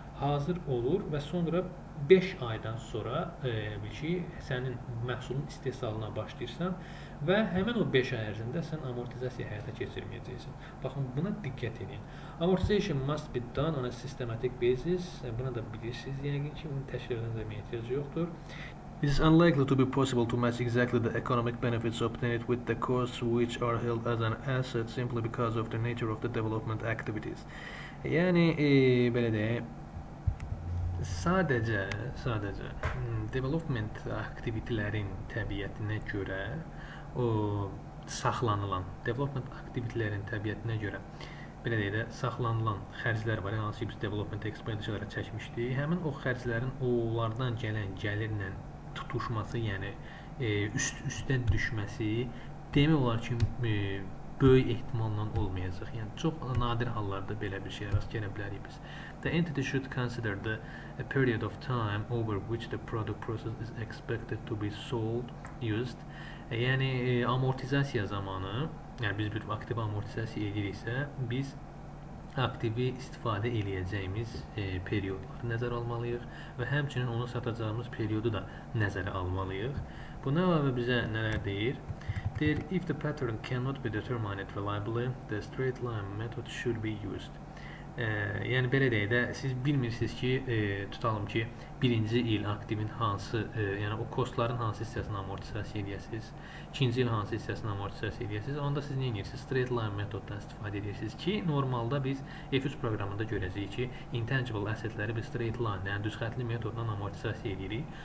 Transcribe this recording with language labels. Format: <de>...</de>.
<az>Hazır olur və sonra 5 aydan sonra sənin məhsulun istehsalına başlayırsan və həmin o 5 ay ərzində sən amortizasiya həyata keçirməyəcəksin. Baxın, buna diqqət edin.</az> <en>Amortization must be done on a systematic basis.</en> <az>Buna da bilirsiniz, yəqin ki, bunu təşkil edən deməyə ehtiyacı yoxdur.</az> <en>It is unlikely to be possible to match exactly the economic benefits obtained with the costs which are held as an asset simply because of the nature of the development activities.</en> <az>Yəni, belə deyək, Sadəcə development aktivitlərin təbiətinə görə o saxlanılan development aktivitlərin təbiətinə görə belə deyə də saxlanılan xərclər var, hansı ki biz development expenditure-lara çəkmişdik. Həmin o xərclərin onlardan gələn gəlirlə tutuşması, yəni üst-üstə düşməsi demək olar ki böyük ehtimalla olmayacaq. Yəni çox nadir hallarda belə bir şey rast gələ bilərik biz.</az> <en>The entity should consider the period of time over which the product process is expected to be sold, used.</en> <az>Yəni amortizasiya zamanı, yəni biz bir aktiv amortizasiya ediriksə, biz aktivi istifadə eləyəcəyimiz periodları nəzərə almalıyıq və həmçinin onu satacağımız periodu da nəzərə almalıyıq. Bu nə əlavə bizə nələr deyir? Deyir,</az> <en>if the pattern cannot be determined reliably, the straight line method should be used.</en> <az>Yəni, belə deyək də, siz bilmirsiniz ki, tutalım ki, birinci il aktivin hansı, yəni o kostların hansı hissəsini amortizasiya edəsiniz, ikinci il hansı hissəsini amortizasiya edəsiniz, onda siz nə edirsiniz? Straight line metoddan istifadə edirsiniz ki, normalda biz F3 proqramında görəcəyik ki, intangible assetləri biz straight line, yəni düzxətli metoddan amortizasiya edirik.</az>